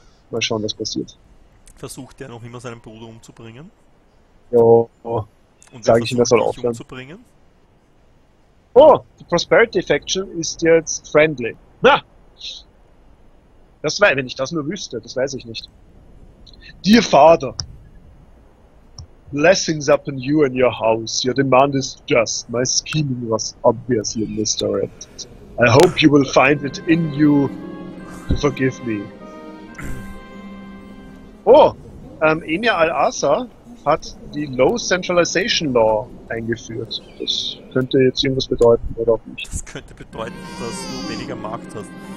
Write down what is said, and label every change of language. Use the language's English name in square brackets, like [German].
[German] Mal schauen, was passiert. Versucht er noch immer seinen Bruder umzubringen? Ja. Und sage ich ihm, er soll aufhören. Umzubringen? Oh, die Prosperity Faction ist jetzt friendly. Na! Wenn ich das nur wüsste, das weiß ich nicht. [English] Dear Father, blessings upon you and your house. Your demand is just. My scheming was obviously misdirected. I hope you will find it in you to forgive me. [German] Oh, Emir al-Asa hat die Low Centralization Law eingeführt. Das könnte jetzt irgendwas bedeuten, oder auch nicht. Das könnte bedeuten, dass du weniger Macht hast.